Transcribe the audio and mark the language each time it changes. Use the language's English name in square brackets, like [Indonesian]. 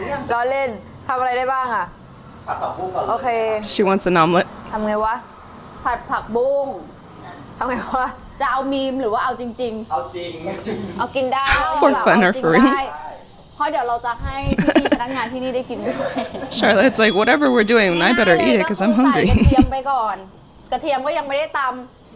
[Thai] ยังรอเล่นทำอะไรได้บ้างอ่ะ ผั ดผักบุ้งก่อน โอเค [English] She wants an omelette [Thai] ทำไงวะ ผัดผักบุ้ง ทำไงวะ จะเอามีมหรือว่าเอาจริง ๆเอาจริ ง เอากินได้ [English] for fun or for real [Thai] เพราะเดี๋ยวเราจะให้พี่ๆพนักงานที่นี่ได้กินด้วย [English] Charlotte's like whatever we're doing I better eat it because I'm hungry [Thai] กระเทียมไปก่อนกระเทียมก็ยังไม่ได้ตำ